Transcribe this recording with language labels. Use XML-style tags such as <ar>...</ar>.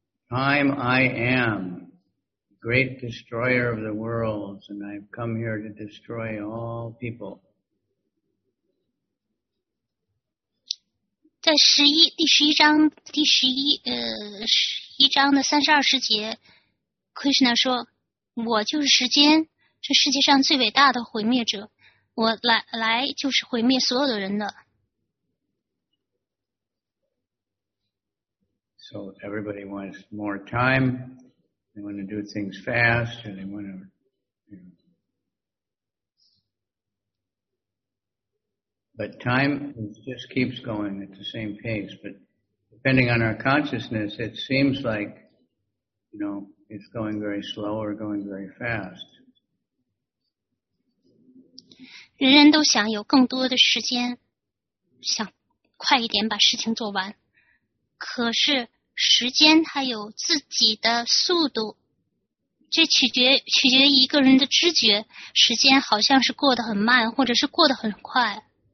<en>Time I am, great destroyer of the worlds, and I've come here to destroy all people.</en> <zh>在第十一章的32节, Krishna 说，我就是时间，这世界上最伟大的毁灭者，我来就是毁灭所有的人的。</zh> <en>So everybody wants more time. They want to do things fast, and they want to, But time just keeps going at the same pace. But depending on our consciousness, it seems like, it's going very slow or going very fast.</en> <zh>人人都想有更多的时间，想快一点把事情做完，可是。时间它有自己的速度，这取决于一个人的知觉。时间好像是过得很慢，或者是过得很快。</zh>